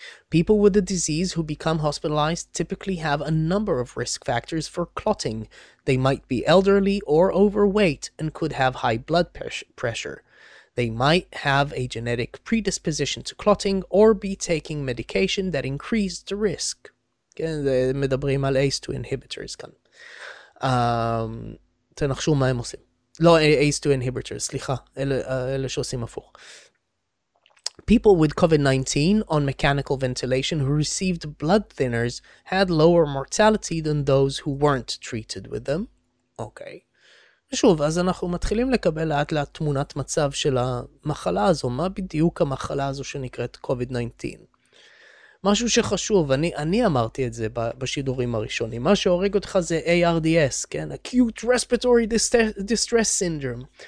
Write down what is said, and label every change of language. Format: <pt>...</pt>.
<en>People with a disease who become hospitalized typically have a number of risk factors for clotting. They might be elderly or overweight and could have high blood pressure. They might have a genetic predisposition to clotting or be taking medication that increased the risk.</en> <he>מדברים על ACE2 inhibitors כאן. תנחשו מה הם עושים. לא, ACE2 inhibitors, סליחה, אלה שעושים הפוך.</he> <en>People with COVID-19 on mechanical ventilation who received blood thinners had lower mortality than those who weren't treated with them. Okay.</en> <he>ושוב, אז אנחנו מתחילים לקבל לאט לאט תמונת מצב של המחלה הזו. מה בדיוק המחלה הזו שנקראת COVID-19? משהו שחשוב, אני אמרתי את זה בשידורים הראשונים. מה שהורג אותך זה ARDS, כן? Acute Respiratory Distress Syndrome.</he>